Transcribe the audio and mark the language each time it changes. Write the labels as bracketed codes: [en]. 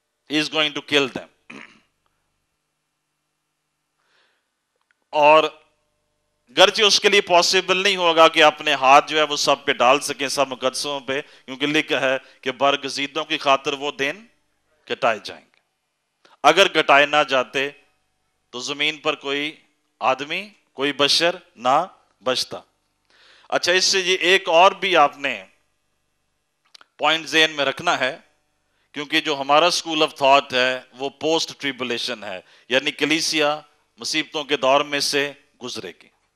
[en] He's going to kill them. [ur] اور گرچہ اس کے لیے پاسبل نہیں ہوگا کہ اپنے ہاتھ جو ہے وہ سب پہ ڈال سکیں، سب مقدسوں پہ، کیونکہ لکھا ہے کہ برگزیدوں کی خاطر وہ دن کٹائے جائیں گے. اگر کٹائے نہ جاتے تو زمین پر کوئی آدمی، کوئی بشر نہ بچتا. اچھا، اس سے یہ ایک اور بھی آپ نے پوائنٹ ذہن میں رکھنا ہے، کیونکہ جو ہمارا سکول آف تھاٹ ہے وہ پوسٹ ٹریبولیشن ہے، یعنی کلیسیا مصیبتوں کے دور میں سے گزرے گی.